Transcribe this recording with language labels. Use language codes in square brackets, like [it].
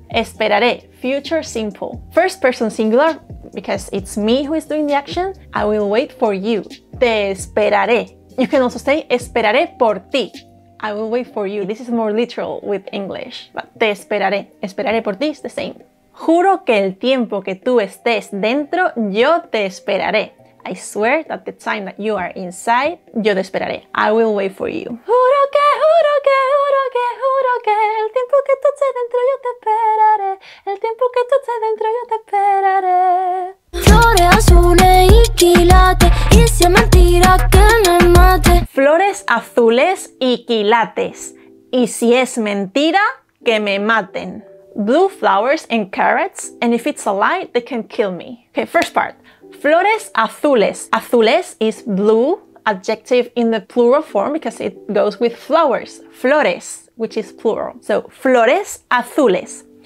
[en] Esperaré, future simple. First person singular, because it's me who is doing the action, I will wait for you. [es] Te esperaré. [en] You can also say, [es] esperaré por ti. [en] I will wait for you. This is more literal with English, but [es] te esperaré. Esperaré por ti [en] is the same. [es] Juro que el tiempo que tú estés dentro, yo te esperaré. [en] I swear that the time that you are inside, [es] yo te esperaré. [en] I will wait for you. [es] Juro que, juro que, juro que, juro que el tiempo que tú estés dentro yo te esperaré. El tiempo que tú estés dentro yo te esperaré. Flores azules y quilates, y si es mentira que me mate. Flores azules y quilates, y si es mentira que me maten. [en] Blue flowers and carrots, and if it's a lie, they can kill me. Okay, first part. [es] Flores azules. [en] Azules is blue, adjective in the plural form because it goes with flowers. Flores, which is plural. So, [es] flores azules.